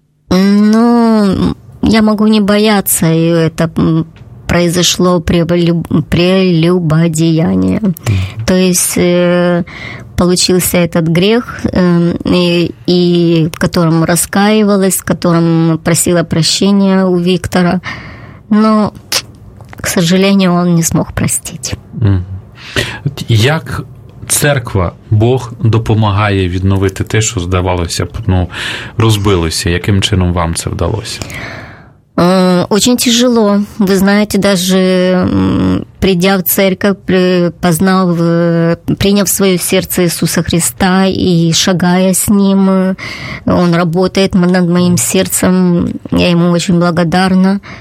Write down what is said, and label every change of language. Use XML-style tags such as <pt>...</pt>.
<ru>Ну, я могу не бояться, и это произошло прелюбодеяние. То есть получился этот грех, и в котором раскаивалась, в котором просила прощения у Виктора, но, к сожалению, он не смог простить.</ru> <uk>Як церква, Бог допомагає відновити те, що, здавалося б, ну, розбилося? Яким чином вам це вдалося?</uk> <ru>Очень тяжело. Вы знаете, даже придя в церковь, приняв в свое сердце Иисуса Христа и шагая с Ним, Он работает над моим сердцем, я Ему очень благодарна.</ru>